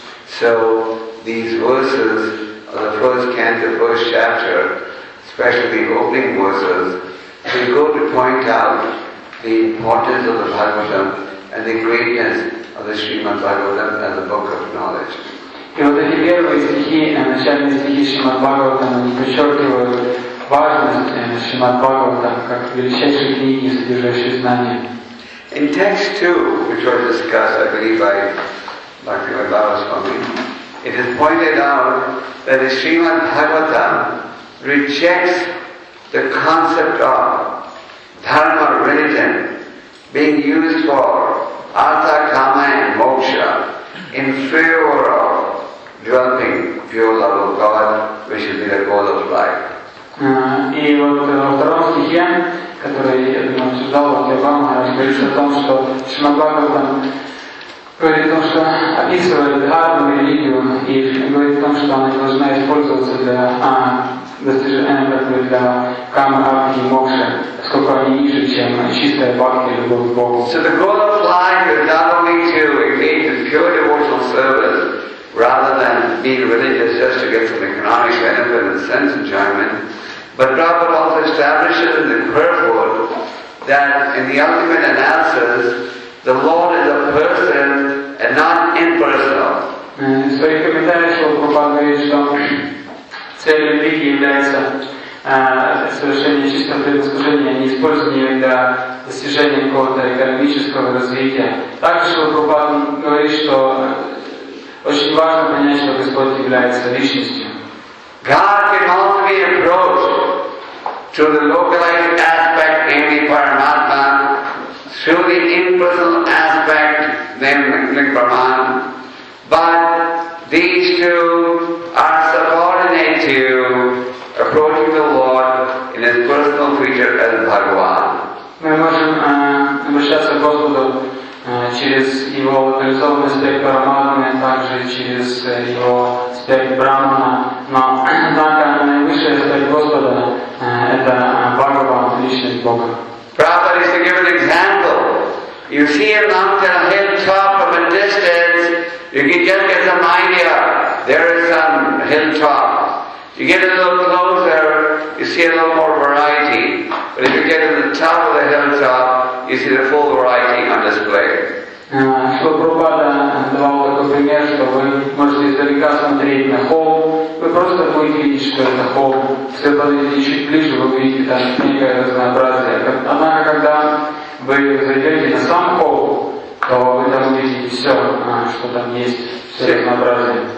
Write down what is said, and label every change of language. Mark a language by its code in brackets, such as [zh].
[en] So these verses are the first canto, first chapter, especially the opening verses, we go to point out the importance of the Bhagavatam and the greatness of the Srimad Bhagavatam as a book of knowledge. [ru] И вот эти первые стихи, начальные стихи Шримад Бхагаватам, они подчеркивают важность Шримад Бхагаватам как величайшей книги, содержащей знания. [en] In text 2, which was discussed, I believe, by Bhaktivinoda Bhavaswami, it is pointed out that the Srimad Bhagavatam rejects the concept of dharma religion being used for artha, kama and moksha in favor of developing pure love of God, which should be the goal of life. [ru] И вот во втором стихе, который я думаю обсуждал для вам, говорится о том, что Шримад Бхагаватам говорит о том, что описывает дхарму религию и говорит о том, что она не должна использоваться для достижения для кама, артхи и мокши, сколько они ниже, чем чистая бхакти любовь к Богу. [en] So the goal of life is not only to engage in pure devotional service, rather than being religious just to get some economic benefit and sense enjoyment. But Prabhupada also establishes in the purport that in the ultimate analysis, the Lord is a person and not impersonal. So in commentary, [ru] Prabhupada говорит, что цель религии является совершение чистого предвосхождения, а не использование для достижения какого-то экономического развития. Также Прабхупада говорит, что очень важно понять, что Господь является личностью. [en] God can only be approached through the localized aspect namely Paramatma, through the impersonal aspect namely Brahman, but these two are subordinate to approaching the Lord in His personal feature as Bhagavan. [ru] Мы можем обращаться к Господу через его локализованный аспект Параматмы, также через его аспект Брахмана. Но однако наивысший аспект Господа это Бхагаван, личность Бога. [en] Prabhupada is to give an example. You see a mountain, a hilltop from a distance, you can just get some idea. There is some hilltop. You get a little closer, you see a little more variety. But if you get to the top of the hilltop, you see the full variety on display. [ru] Шрила Прабхупада давал такой пример, что вы можете из издалека смотреть на холм, вы просто будете видеть, что это холм. Все подойдите чуть ближе, вы увидите там некое разнообразие. Однако, когда вы зайдете на сам холм, то вы там увидите все, что там есть, все разнообразие.